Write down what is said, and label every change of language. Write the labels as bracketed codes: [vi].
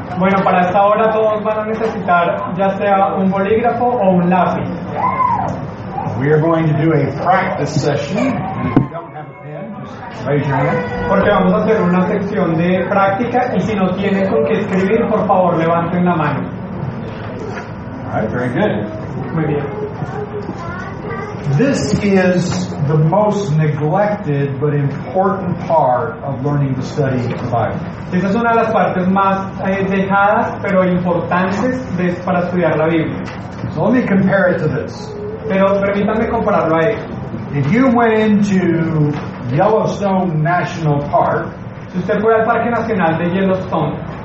[es] Bueno, para esta hora todos van a necesitar ya sea un bolígrafo o un lápiz. [en] We are going to do a practice session. Raise your hand. [es] Porque vamos a hacer una sección de práctica y si no tiene con qué escribir, por favor levanten la mano. [en] Alright, very good. [es] Muy bien. [en] This is the most neglected but important part of learning to study the Bible. [es] Esta es una de las partes más dejadas pero importantes de, para estudiar la Biblia. [en] So let me compare it to this. [es] Pero permítanme compararlo a esto. [en] If you went into Yellowstone National Park, [es] si usted fuera al Parque Nacional de Yellowstone,